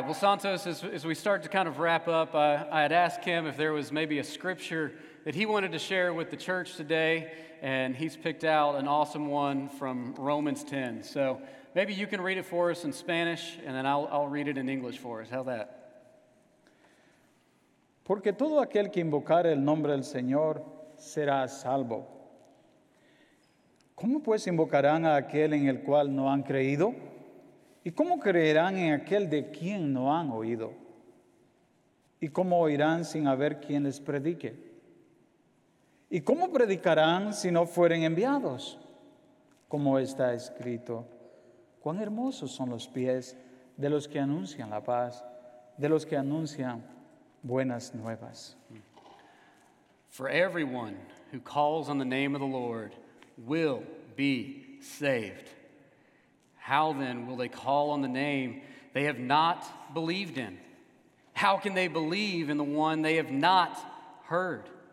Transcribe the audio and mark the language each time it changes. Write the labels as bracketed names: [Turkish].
[English] Well, Santos, as we start to kind of wrap up, I had asked him if there was maybe a scripture that he wanted to share with the church today, and he's picked out an awesome one from Romans 10. So, maybe you can read it for us in Spanish, and then I'll read it in English for us. How's that? [Spanish] Porque todo aquel que invocare el nombre del Señor será salvo. ¿Cómo pues invocarán a aquel en el cual no han creído? ¿Y cómo creerán en aquel de quien no han oído? ¿Y cómo oirán sin haber quien les predique? ¿Y cómo predicarán si no fueren enviados? Como está escrito, cuán hermosos son los pies de los que anuncian la paz, de los que anuncian buenas nuevas. [English] For everyone who calls on the name of the Lord will be saved. How then will they call on the name they have not believed in? How can they believe in the one they have not heard?